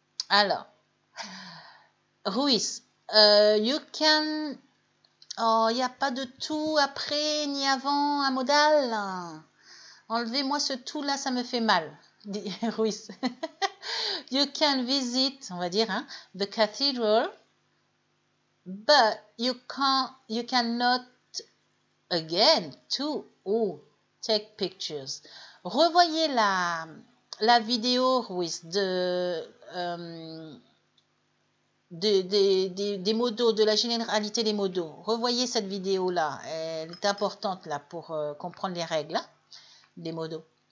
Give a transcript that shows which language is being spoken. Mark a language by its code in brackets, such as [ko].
[en] Alors, Ruiz, you can... [fr] Oh, il n'y a pas de tout après ni avant un modal. Enlevez-moi ce tout-là, ça me fait mal, dit Ruiz. [en] You can visit, [fr] on va dire, hein, [en] the cathedral, but you can't, you cannot again to ou take pictures. [fr] Revoyez la vidéo, Ruiz, des modos, de la généralité des modos. Revoyez cette vidéo-là. Elle est importante là pour comprendre les règles là, des modos.